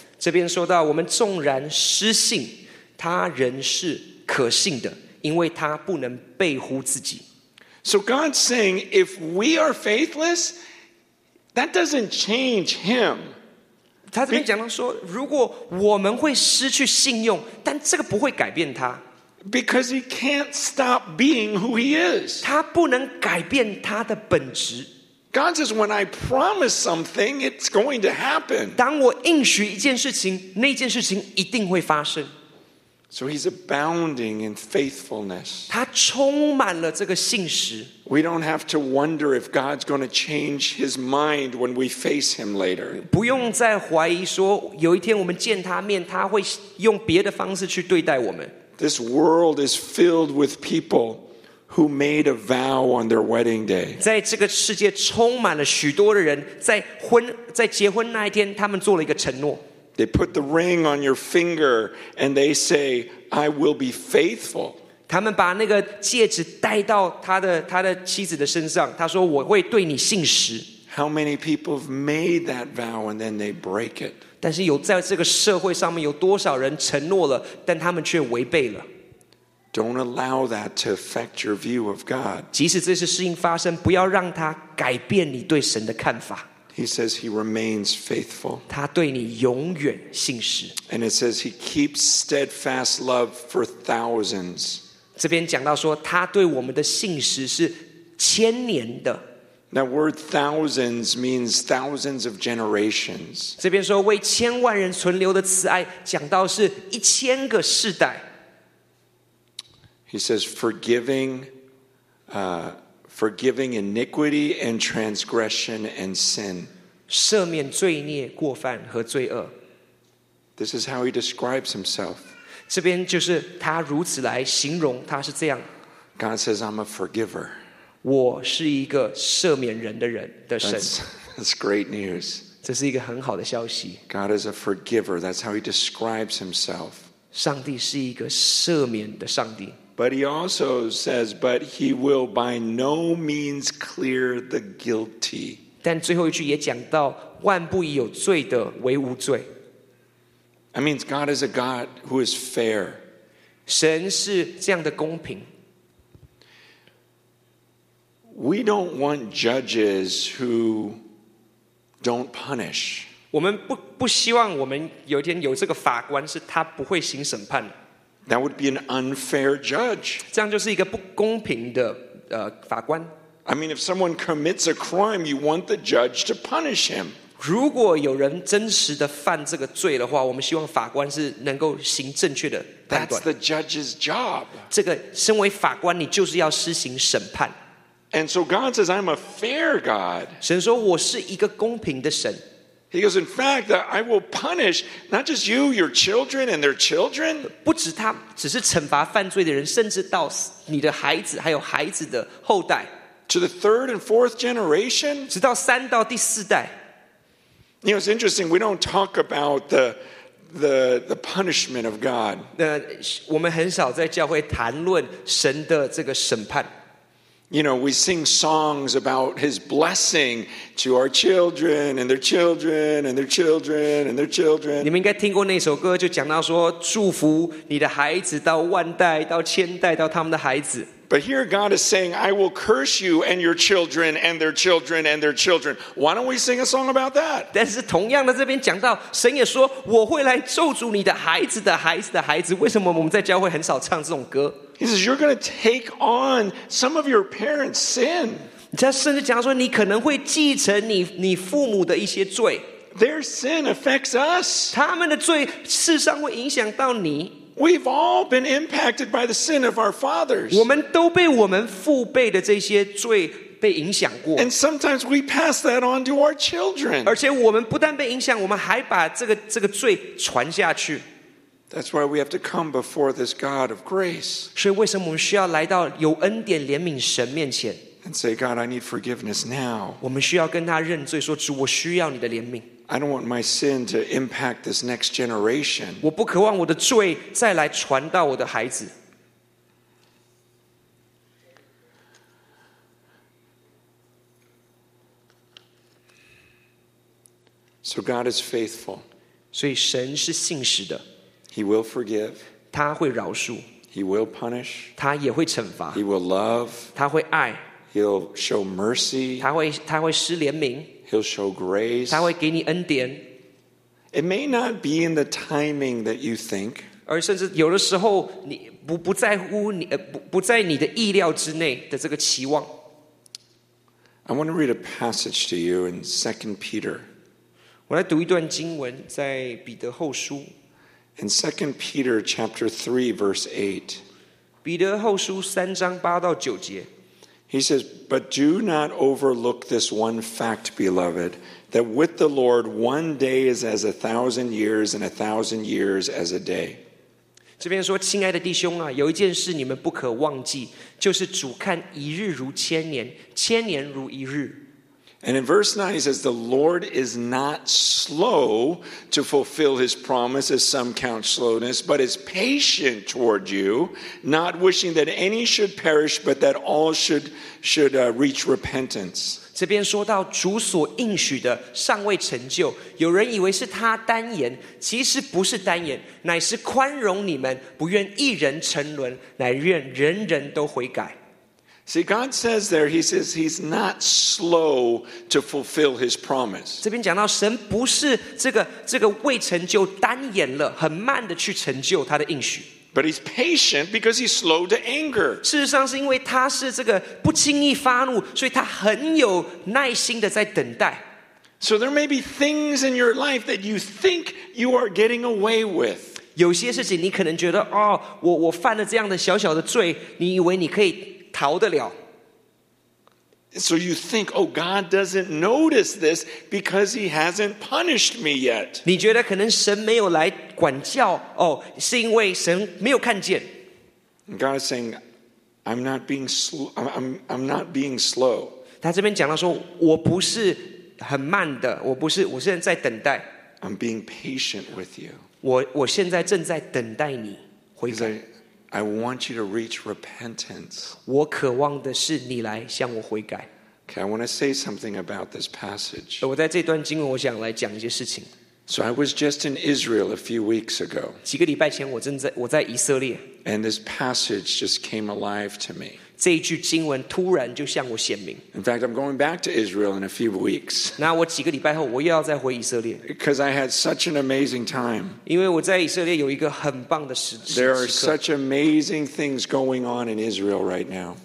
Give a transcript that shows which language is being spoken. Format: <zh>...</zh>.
<zh>这边说到我们纵然失信他仍是可信的因为他不能背乎自己</zh> <en>So God's saying if we are faithless That doesn't change him.</en> <zh>他这边讲到说，如果我们会失去信用，但这个不会改变他。</zh> <en>Because he can't stop being who he is.</en> <zh>他不能改变他的本质。</zh> <en>God says, "When I promise something, it's going to happen."</en> <zh>当我应许一件事情，那件事情一定会发生。</zh> <en>So he's abounding in faithfulness.</en> <zh>他充满了这个信实。</zh> <en>We don't have to wonder if God's going to change his mind when we face him later.</en> <zh>不用再怀疑说有一天我们见他面他会用别的方式去对待我们。</zh> <en>This world is filled with people who made a vow on their wedding day.</en> <zh>在这个世界充满了许多的人在结婚那一天他们做了一个承诺。</zh> <en>They put the ring on your finger and they say, I will be faithful.</en> <zh>他们把那个戒指戴到他的妻子的身上他说我会对你信实。</zh> <en>How many people have made that vow and then they break it?</en> <zh>但是有在这个社会上面有多少人承诺了但他们却违背了。</zh> <en>Don't allow that to affect your view of God.</en> <zh>即使这些事情发生不要让它改变你对神的看法。</zh> <en>He says he remains faithful.</en> <zh>他对你永远信实。</zh> <en>And it says he keeps steadfast love for thousands.</en> <zh>这边讲到说他对我们的信实是千年的。</zh> <en>That word thousands means thousands of generations.</en> <zh>这边说为千万人存留的慈爱讲到是一千个世代。</zh> <en>He says forgiving iniquity and transgression and sin.</en> <zh>赦免罪孽、过犯和罪恶。</zh> <en>This is how he describes himself.</en> <zh>这边就是他如此来形容，他是这样。</zh> <en>God says, "I'm a forgiver."</en> <zh>我是一个赦免人的人的神。</zh> <en>That's great news.</en> <zh>这是一个很好的消息。</zh> <en>God is a forgiver. That's how he describes himself.</en> <zh>上帝是一个赦免的上帝。</zh> <en>But he also says, but he will by no means clear the guilty.</en> <zh>但最后一句也讲到万不以有罪的为无罪。</zh> <en>That means God is a God who is fair.</en> <zh>神是这样的公平。</zh> <en>We don't want judges who don't punish.</en> <zh>我们不希望我们有一天有这个法官是他不会行审判的。</zh> <en>That would be an unfair judge.</en> <zh>这样就是一个不公平的法官。</zh> <en>I mean, if someone commits a crime, you want the judge to punish him.</en> <zh>如果有人真实的犯这个罪的话，我们希望法官是能够行正确的判断。</zh> <en>That's the judge's job.</en> <zh>这个身为法官，你就是要施行审判。</zh> <en>And so God says, "I'm a fair God."</en> <zh>神说我是一个公平的神。</zh> <en>He goes, in fact, that I will punish not just you, your children, and their children.</en> <zh>不止他只是惩罚犯罪的人，甚至到你的孩子，还有孩子的后代。</zh> <en>To the third and fourth generation.</en> <zh>直到三到第四代。</zh> <en>You know, it's interesting. We don't talk about the punishment of God.</en> <zh>我们很少在教会谈论神的这个审判。</zh> <en>You know, we sing songs about his blessing to our children and their children and their children and their children.</en> <zh>你们应该听过那首歌，就讲到说祝福你的孩子到万代、到千代、到他们的孩子。</zh> <en>But here God is saying, I will curse you and your children and their children and their children. Why don't we sing a song about that?</en> <zh>但是同样的这边讲到，神也说，我会来咒诅你的孩子的孩子的孩子。为什么我们在教会很少唱这种歌？</zh> <en>He says, you're going to take on some of your parents' sin.</en> <zh>他甚至讲说，你可能会继承 你父母的一些罪。</zh> <en>Their sin affects us.</en> <zh>他们的罪事实上会影响到你。</zh> <en>We've all been impacted by the sin of our fathers.</en> <zh>我们都被我们父辈的这些罪被影响过。</zh> <en>And sometimes we pass that on to our children.</en> <zh>而且我们不但被影响，我们还把这个罪传下去。</zh> <en>That's why we have to come before this God of grace.</en> <zh>所以为什么我们需要来到有恩典怜悯神面前？</zh> <en>And say, God, I need forgiveness now.</en> <zh>我们需要跟他认罪，说主，我需要你的怜悯。</zh> <en>I don't want my sin to impact this next generation.</en> <zh>我不渴望我的罪再来传到我的孩子。</zh> <en>So God is faithful.</en> <zh>所以神是信实的。</zh> <en>He will forgive.</en> <zh>他会饶恕。</zh> <en>He will punish.</en> <zh>他也会惩罚。</zh> <en>He will love.</en> <zh>他会爱。</zh> <en>He'll show mercy.</en> <zh>他会施怜悯。</zh> <en>He'll show grace.</en> <zh>他会给你恩典。</zh> <en>It may not be in the timing that you think.</en> <zh>而甚至有的时候你 不在乎你 不在你的意料之内的这个期望。</zh> <en>I want to read a passage to you in 2 Peter.</en> <zh>我来读一段经文在彼得后书。</zh> <en>In 2 Peter chapter 3 verse 8.</en> <zh>彼得后书三章八到九节。</zh> <en>He says, but do not overlook this one fact, beloved, that with the Lord one day is as 1,000 years and 1,000 years as a day.</en> <zh>这边说，亲爱的弟兄啊，有一件事你们不可忘记，就是主看一日如千年，千年如一日。</zh> <en>And in verse 9, he says, the Lord is not slow to fulfill his promise, as some count slowness, but is patient toward you, not wishing that any should perish, but that all should reach repentance.</en> <zh>这边说到主所应许的尚未成就，有人以为是他单言，其实不是单言，乃是宽容你们，不愿一人沉沦，乃愿人人都悔改。</zh> <en>See, God says there, he says he's not slow to fulfill his promise.</en> <zh>这边讲到神不是这个未成就单言了，很慢的去成就他的应许。</zh> <en>But he's patient because he's slow to anger.</en> <zh>事实上是因为他是这个不轻易发怒，所以他很有耐心的在等待。</zh> <en>So there may be things in your life that you think you are getting away with.</en> <zh>有些事情你可能觉得，哦，我犯了这样的小小的罪，你以为你可以逃得了。</zh> <en>So you think, oh, God doesn't notice this because he hasn't punished me yet.</en> <zh>你觉得可能神没有来管教，哦，是因为神没有看见。</zh> <en>God is saying, I'm not being slow.</en> <zh>他这边讲到说，我不是很慢的，我不是，我现在在等待。</zh> <en>I'm being patient with you.</en> <zh>我现在正在等待你悔改。</zh> <en>I want you to reach repentance.</en> <zh>我渴望的是你来向我悔改。</zh> <en>Okay, I want to say something about this passage.</en> <zh>我在这段经文我想来讲一些事情。</zh> <en>So I was just in Israel a few weeks ago.</en> <zh>几个礼拜前我在以色列。</zh> <en>And this passage just came alive to me.</en> <zh>这一句经文突然就向我显明。</zh> <en>In fact, I'm going back to Israel in a few weeks.</en> <zh>那我几个礼拜后我又要再回以色列。</zh> <en>Because I had such an amazing time.</en> <zh>因为我在以色列有一个很棒的时刻。</zh> <en>There are such amazing things going on in Israel right now.</en>